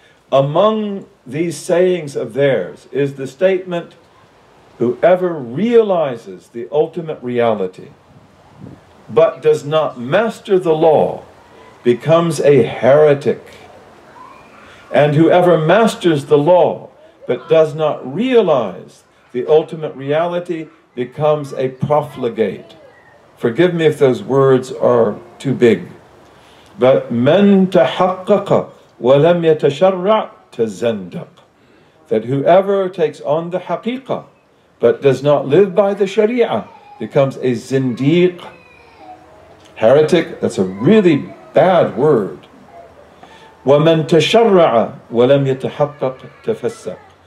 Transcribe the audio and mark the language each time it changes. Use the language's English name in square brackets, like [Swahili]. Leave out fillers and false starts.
[English] Among these sayings of theirs is the statement, whoever realizes the ultimate reality, but does not master the law, becomes a heretic. And whoever masters the law, but does not realize the ultimate reality, becomes a profligate. Forgive me if those words are too big. But [Arabic] من تحقق ولم يتشرع تزندق. [English] That whoever takes on the haqiqa, but does not live by the sharia, becomes a zindiq. Heretic, that's a really bad word. [Arabic] وَمَنْ تَشَرَّعَ وَلَمْ يَتَحَقَّقْ تَفَسَّقْ.